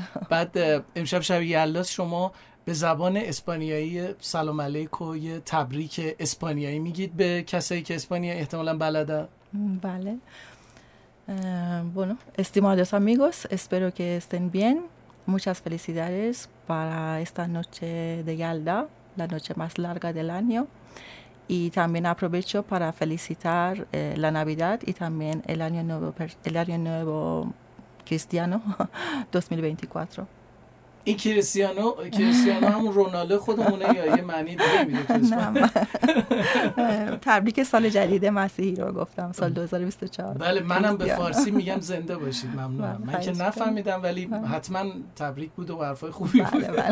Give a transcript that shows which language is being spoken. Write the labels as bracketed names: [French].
[Persian] بعد امشب شب یلداست، شما به زبان اسپانیایی سلام علیکو یه تبریک اسپانیایی میگید به کسایی که اسپانیایی احتمالا بلده؟ بله. [Spanish] بونو استیمادوس آمیگوس، اسپرو که استن بین، موچاس فلیسیدادس پارا استا نوچه ده یلدا، لا نوچه ماس لارگا دل آنیو. Y también aprovecho para felicitar la Navidad y también el año nuevo cristiano 2024. [Persian] این کریستیانو، کریستیانو همون رونالدو خودمونه یا یه معنی دیگه میده؟ تبریک سال جدید مسیحی رو گفتم، سال 2024. بله منم به فارسی میگم زنده باشید. ممنونم. من که نفهمیدم ولی حتما تبریک بود و حرفای خوبی بود.